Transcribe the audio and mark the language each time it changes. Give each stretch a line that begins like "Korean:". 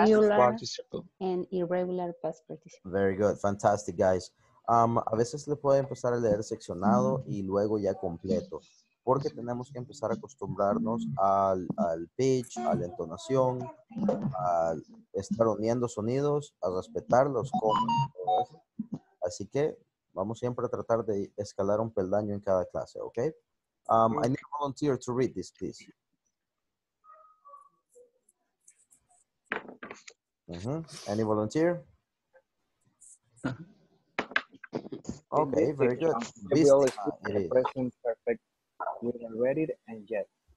English: In this session, we will study the present perfect with already and yet, irregular past participle. Very good, fantastic, guys.
Spanish: A veces le puede empezar a leer seccionado y luego ya completo, porque tenemos que empezar a acostumbrarnos al pitch, a la entonación, a estar uniendo sonidos, a respetar los comas. Así que vamos siempre a tratar de escalar un peldaño en cada clase, ¿ok?
English: I need a volunteer to read this, please. Mm-hmm. Any volunteer? Okay, very good. This is the present perfect. We are ready and yet.